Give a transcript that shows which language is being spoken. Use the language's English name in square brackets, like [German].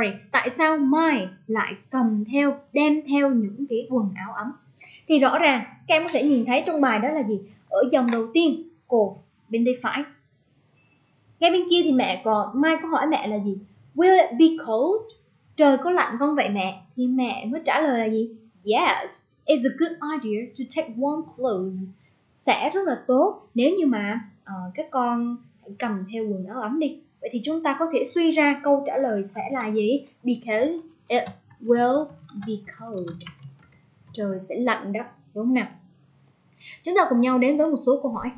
[Vietnamese] Tại sao my lại cầm theo, đem theo những cái quần áo ấm? Thì rõ ràng, các em có thể nhìn thấy trong bài đó là gì? Ở dòng đầu tiên, cột bên tay phải. Ngay bên kia thì mẹ có, Mai có hỏi mẹ là gì? [English] Will it be cold? [Vietnamese] Trời có lạnh không vậy mẹ? Thì mẹ mới trả lời là gì? [English] Yes, it's a good idea to take warm clothes. [Vietnamese] Sẽ rất là tốt nếu như mà các con hãy cầm theo quần áo ấm đi. Vậy thì chúng ta có thể suy ra câu trả lời sẽ là gì? [English] Because it will be cold. [Vietnamese] Trời sẽ lạnh đó, đúng không nào? Chúng ta cùng nhau đến với một số câu hỏi.